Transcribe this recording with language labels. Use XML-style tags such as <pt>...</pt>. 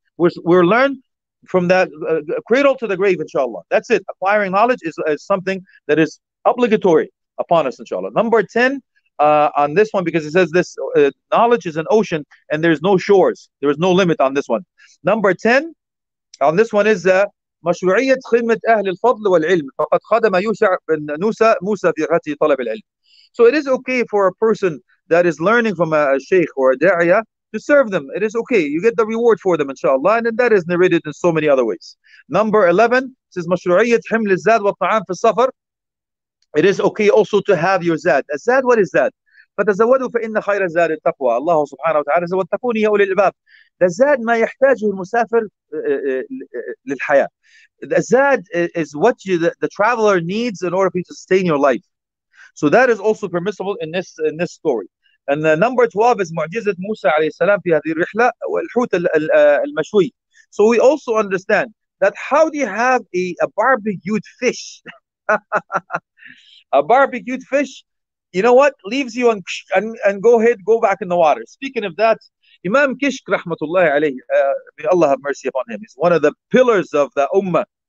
<en>We're learned from that cradle to the grave, inshallah. That's it. Acquiring knowledge is something that is obligatory upon us, inshallah. Number 10 on this one, because it says this knowledge is an ocean and there's no shores. There is no limit on this one. Number 10 on this one is</en> <ar>مشروعية خدمة أهل الفضل والعلم فقد خدم يوسع بن موسى في رحلة طلب العلم.</ar> <en>So it is okay for a person that is learning from a sheikh or a da'iya to serve them. It is okay. You get the reward for them, inshallah. And that is narrated in so many other ways. Number 11 says,</en> <ar>مَشْرُعِيَّةِ حِمْلِ الزَّادِ وَالطَّعَامِ فِي السَّفَرِ.</ar> <en>It is okay also to have your zad. A zad, what is that?</en> <ar>فَتَزَوَّدُوا فَإِنَّ خَيْرَ الزَّادِ التَّقْوَى.</ar> <en>Allah subhanahu wa ta'ala says,</en> <ar>وَاتَّقُونِي يَا أُولِي الْأَلْبَابِ.</ar> <en>The zad</en> <ar>ما يحتاجه المسافر للحياة.</ar> <en>The zad is what the traveler needs in order for you to sustain your life. So that is also permissible in this story. ان number 12 از</en> <ar>معجزه موسى عليه السلام في هذه الرحله والحوت المشوي.</ar> <en>So we also understand that how do you have a barbecued fish? A barbecued fish, you know what, leaves you and go ahead, go back in the water. Speaking of that, Imam Kishk, rahmatullah alayhi, may Allah have mercy upon him, is one of the pillars of the ummah.</en>